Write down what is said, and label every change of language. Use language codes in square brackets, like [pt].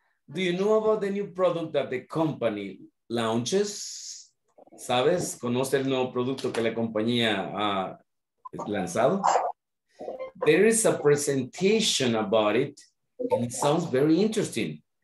[en] Do you know about the new product that the company launches? [es] ¿Sabes? ¿Conoce el nuevo producto que la compañía ha lanzado? [en] There is a presentation about it, and it sounds very interesting.